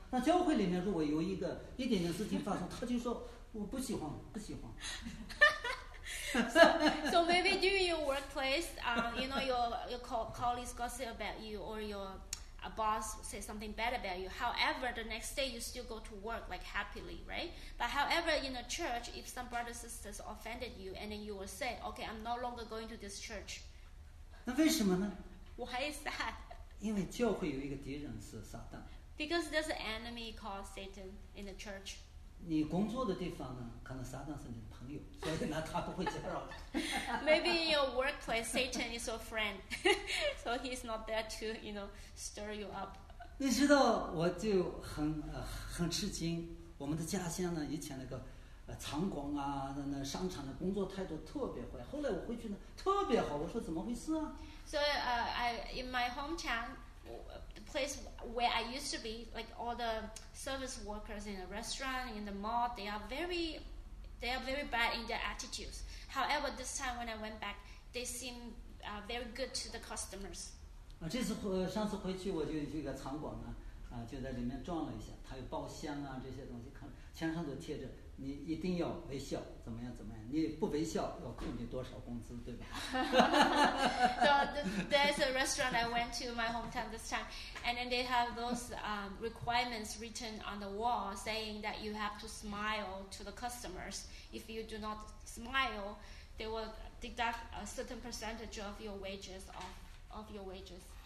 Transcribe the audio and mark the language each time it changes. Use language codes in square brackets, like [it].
[zh] 那教会里面如果有一个一点点事情发生，他就说我不喜欢，不喜欢。 [en] So maybe during your workplace, you know, your colleagues gossip about you, or your boss say something bad about you. However, the next day you still go to work like happily, right? But however, in a church, if some brothers and sisters offended you, and then you will say, okay, I'm no longer going to this church. [zh] 那为什么呢？ [en] Why is that? [zh] 因为教会有一个敌人是撒旦。 [en] Because there's an enemy called Satan in the church. [zh] 你工作的地方呢，可能撒旦是你的朋友，所以呢他不会骚扰你。 [en] Maybe in your workplace Satan is your friend, so he's not there to, you know, stir you up. [zh] 你知道我就很吃惊，我们的家乡呢以前那个场馆啊，那商场的工作态度特别坏，后来我回去呢特别好，我说怎么回事啊？ [en] So in my hometown,the place where I used to be, like all the service workers in the restaurant, in the mall, they are very bad in their attitudes. However, this time when I went back, they seem very good to the customers. [zh] 这次上次回去我就去一个场馆呢，就在里面转了一下，它有包厢啊这些东西，看墙上都贴着你一定要微笑，怎么样怎么样，你不微笑要扣你多少工资，对吧？ [en] So there's a restaurant I went to my hometown this time, and then they have those requirements written on the wall saying that you have to smile to the customers. If you do not smile, they will deduct a certain percentage of your wages of your wages.